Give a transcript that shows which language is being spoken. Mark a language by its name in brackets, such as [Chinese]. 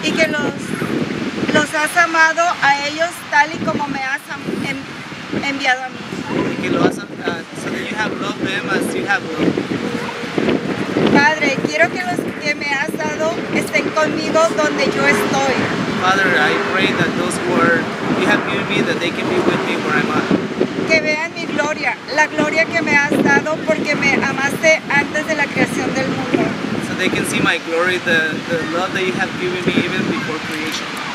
[Spanish] Y que los has amado a ellos tal y como me has enviado a mí. [English] So that you have loved them as you have loved. [Spanish] Padre, quiero que los que me has dado estén conmigo donde yo estoy. [English] Father, I pray that those who you have given me, that they can be with me where I'm at. [Spanish] Que vean mi gloria, la gloria que me has dado porque me amaste antes de la creación del mundo. [English] So they can see my glory, the love that you have given me even before creation.